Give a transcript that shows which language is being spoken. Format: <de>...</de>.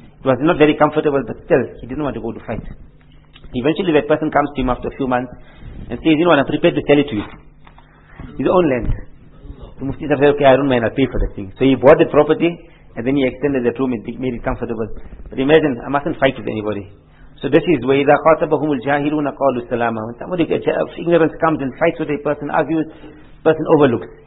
<en>It was not very comfortable, but still, he didn't want to go to fight. Eventually, that person comes to him after a few months and says, you know what, I'm prepared to sell it to you. His own land. So Mufti Sahib said, okay, I don't mind, I'll pay for the thing. So he bought the property, and then he extended the room and made it comfortable. But imagine, I mustn't fight with anybody. So this is where</en> <ar>إِذَا خَاطَبَهُمُ الْجَاهِلُونَ قَالُوا السَّلَامَ.</ar> <en>When somebody of ignorance comes and fights with a person, argues, person overlooks.</en>